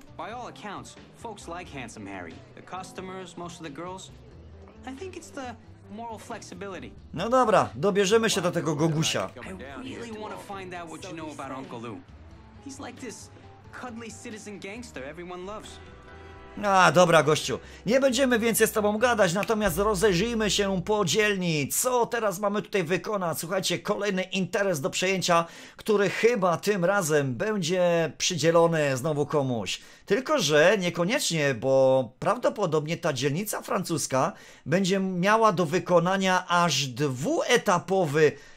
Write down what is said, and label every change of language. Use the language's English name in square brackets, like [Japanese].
[English] By all accounts, folks like Handsome Harry. The customers, most of the girls. I think it's the moral flexibility. [Polish] No dobra, dobierzemy się do tego gogusia. [English] I really want to find out what you know about Uncle Lou. He's like this cuddly citizen gangster everyone loves. [Polish] No dobra, gościu. Nie będziemy więcej z tobą gadać, natomiast rozejrzyjmy się po dzielni. Co teraz mamy tutaj wykonać? Słuchajcie, kolejny interes do przejęcia, który chyba tym razem będzie przydzielony znowu komuś. Tylko że niekoniecznie, bo prawdopodobnie ta dzielnica francuska będzie miała do wykonania aż dwuetapowy...